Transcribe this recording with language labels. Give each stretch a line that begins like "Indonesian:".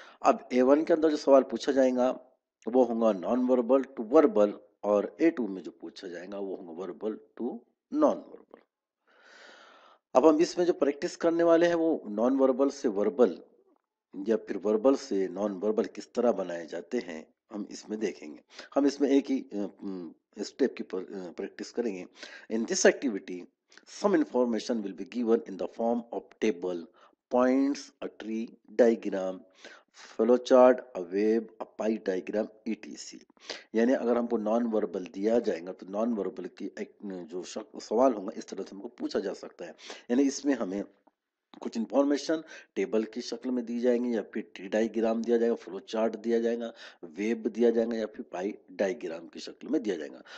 Urdu: اب A1 کے اندر جو سوال پوچھا جائے گا وہ ہوں گا نان وربل ٹو وربل, اور A2 میں جو پوچھا جائے گا وہ ہوں گا وربل ٹو نان وربل. اب ہم اس میں جو پریکٹس کرنے والے ہیں وہ نان وربل سے وربل یا پھر وربل سے نان وربل کس طرح بنائے جاتے ہیں ہم اس میں دیکھیں گے. ہم اس میں ایک ہی اسٹیپ کی پریکٹس کریں گے.
English: In this activity some information will be given in the form of table, points, a tree diagram, flow chart, a web, a pie diagram, E T C.
Urdu: یعنی اگر ہم کو نان وربل دیا جائے گا تو نان وربل کی جو سوال ہوں گا اس طرح سے ہم کو پوچھا جا سکتا ہے. یعنی اس میں ہمیں کچھ انفارمیشن ٹیبل کی شکل میں دی جائیں گے یا پھر ٹری ڈائیگرام دیا جائے گا, فلو چارٹ دیا جائے گا, ویب دیا جائے گا یا پھر پائی ڈائیگرام کی شکل میں دیا جائے گا.